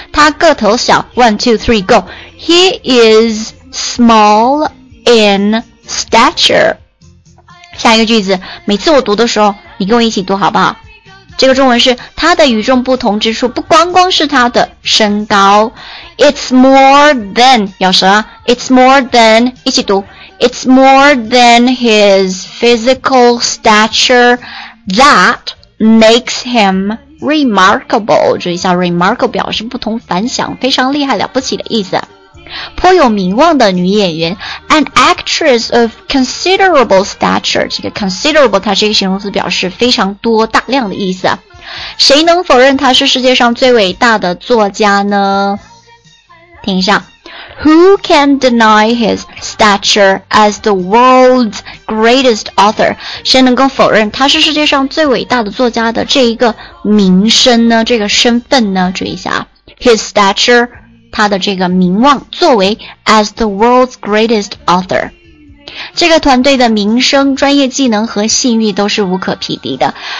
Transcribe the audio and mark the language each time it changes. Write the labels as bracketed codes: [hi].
[zh] 她个头小 [en] ，1, 2, 3, go。He is small in stature。 [zh] 下一个句子，每次我读的时候，你跟我一起读好不好？这个中文是，他的与众不同之处不光光是他的身高。 [en] It's more than， [zh] 咬舌啊 [en] ，It's more than， [zh] 一起读。 [en] It's more than his physical stature that makes him remarkable。 [zh] 注意一下 remarkable 表示不同凡响，非常厉害了不起的意思。颇有名望的女演员 [en] An actress of considerable stature。 [zh] 这个 considerable 它是一个形容词，表示非常多大量的意思。谁能否认她是世界上最伟大的作家呢？听一下， [en] Who can deny his stature as the world's greatest author? [zh] 谁能够否认他是世界上最伟大的作家的这一个名声呢？这个身份呢？注意一下 ， [en] his stature， [zh] 他的这个名望，作为 [en] as the world's greatest author。 [zh] 这个团队的名声、专业技能和信誉都是无可匹敌的。